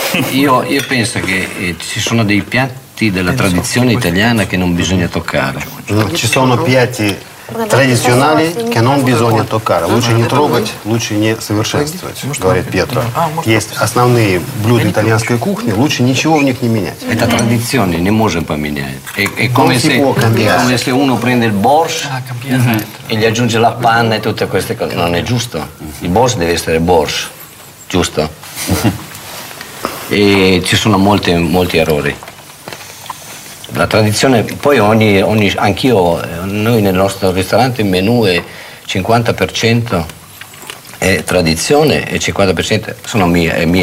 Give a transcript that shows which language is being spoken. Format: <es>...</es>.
<it>Io penso che ci sono dei piatti della tradizione italiana che non bisogna toccare. No, ci sono piatti tradizionali che non bisogna toccare.</it> <ru>Luce не трогать, лучше не совершенствовать, говорит Петро. Есть основные блюда итальянской кухни, лучше ничего в них не менять. Это традиционно, не можем поменять.</ru> <it>Come se uno prende il borscht e gli aggiunge la panna e tutte queste cose. Non è giusto. Il borscht deve essere borscht. Giusto. E ci sono molti, molti errori. La tradizione, poi ogni anch'io, noi nel nostro ristorante il menù è 50% è tradizione e 50% sono mia</it>